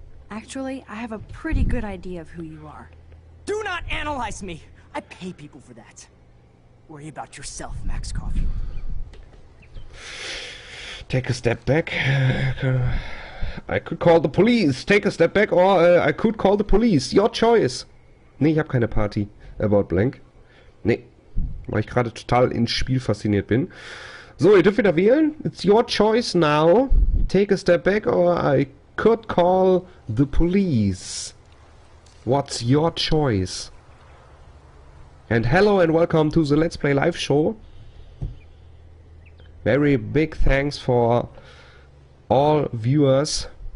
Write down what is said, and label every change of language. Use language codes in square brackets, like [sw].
[en] Actually, I have a pretty good idea of who you are. Do not analyze me! I pay people for that. Worry about yourself, Max Coffey. Take a step back. I could call the police. Take a step back or I could call the police. Your choice. [de] Nee, ich habe keine Party. About blank. Nee, weil ich gerade total ins Spiel fasziniert bin. So, ihr dürft wieder wählen. [en] It's your choice now. Take a step back or I could call the police. What's your choice? And hello and welcome to the Let's Play Live Show. Very big thanks for all viewers.